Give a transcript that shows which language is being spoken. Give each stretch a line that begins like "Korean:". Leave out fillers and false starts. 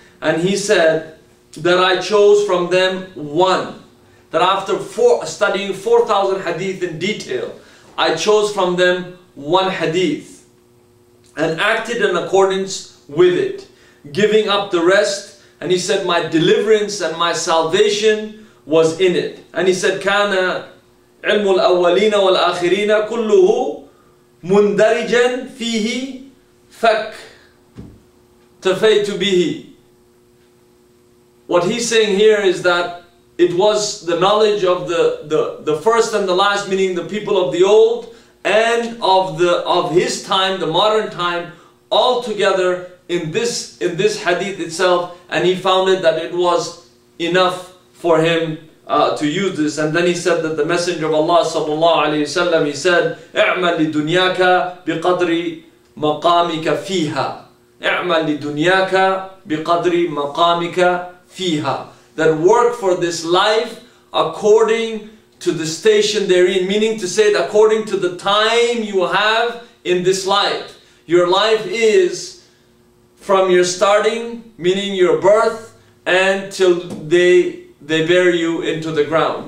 English: And he said that I chose from them one, that after studying 4,000 hadith in detail, I chose from them one hadith and acted in accordance with it, giving up the rest. And he said, my deliverance and my salvation was in it. And he said,
Arabic: كَانَ عِلْمُ الْأَوَّلِينَ وَالْآخِرِينَ كُلُّهُ مُنْدَرِجًا فِيهِ فَكْ تَفَيْتُ بِهِ.
English: What he's saying here is that it was the knowledge of the first and the last, meaning the people of the old and of his time, the modern time, all together in this hadith itself. And he found it that it was enough for him to use this. And then he said that the Messenger of Allah sallallahu alayhi wa sallam, he said,
Arabic: اعمل لدنياك بقدر مقامك فيها. اعمل لدنياك بقدر مقامك فيها.
English: That work for this life according to the station therein, meaning to say that according to the time you have in this life. Your life is from your starting, meaning your birth, and till they bury you into the ground.